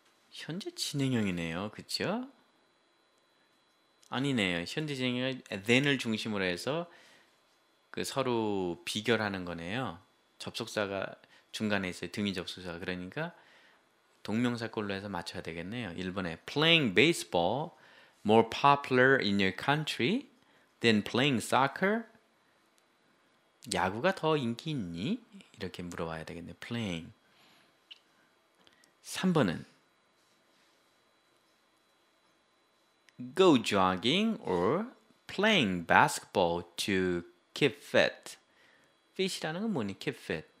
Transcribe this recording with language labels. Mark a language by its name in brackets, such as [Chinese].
[Korean] 현재 진행형이네요. 그렇죠? 아니네요. 현재 진행형은 then을 중심으로 해서 그 서로 비결하는 거네요. 접속사가 중간에 있어요. 등위 접속사가. 그러니까 동명사 걸로 해서 맞춰야 되겠네요. 1번에 [English] playing baseball more popular in your country than playing soccer? [Korean] 야구가 더 인기 있니? 이렇게 물어봐야 되겠네. [English] playing. [Korean] 3번은 [English] go jogging or playing basketball to keep fit. [Korean] fit이라는 건 뭐니? [English] keep fit.